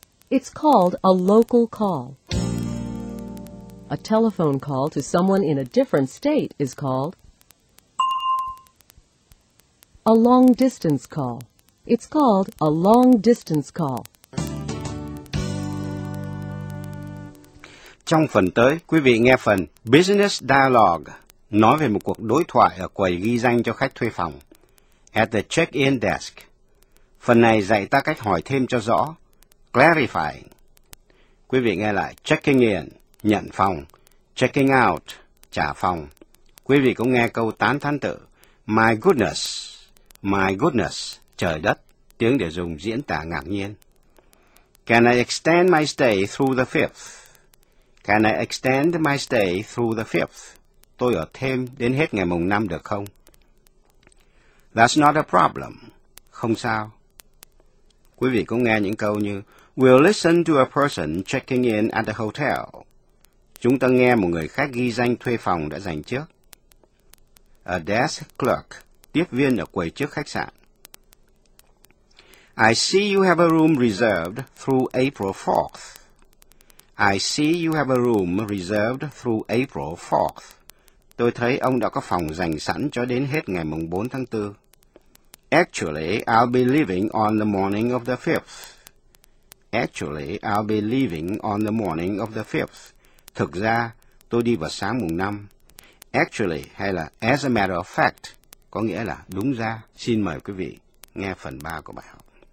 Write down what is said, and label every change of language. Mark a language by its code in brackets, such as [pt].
[en] It's called a local call. A telephone call to someone in a different state is called a long distance call. It's called a long distance call. [vi] Trong phần tới, quý vị nghe phần Business Dialogue, nói về một cuộc đối thoại ở quầy ghi danh cho khách thuê phòng, [en] at the check-in desk. [vi] Phần này dạy ta cách hỏi thêm cho rõ, clarifying. Quý vị nghe lại, checking in, nhận phòng, checking out, trả phòng. Quý vị cũng nghe câu tán thán tự, [en] my goodness. My goodness, [vi] trời đất, tiếng để dùng diễn tả ngạc nhiên. [en] Can I extend my stay through the 5th? Can I extend my stay through the 5th? [vi] Tôi ở thêm đến hết ngày mùng 5 được không? [en] That's not a problem. [vi] Không sao. Quý vị cũng nghe những câu như [en] We'll listen to a person checking in at the hotel. [vi] Chúng ta nghe một người khách ghi danh thuê phòng đã dành trước. [en] A desk clerk. [vi] Tiếp viên ở quầy trước khách sạn. [en] I see you have a room reserved through April 4th. I see you have a room reserved through April 4th. [vi] Tôi thấy ông đã có phòng dành sẵn cho đến hết ngày mùng 4 tháng 4. [en] Actually, I'll be leaving on the morning of the 5th. Actually, I'll be leaving on the morning of the 5th. [vi] Thực ra, tôi đi vào sáng mùng 5. Actually, hay là [en] as a matter of fact, [vi] có nghĩa là đúng ra. Xin mời quý vị nghe phần 3 của bài học.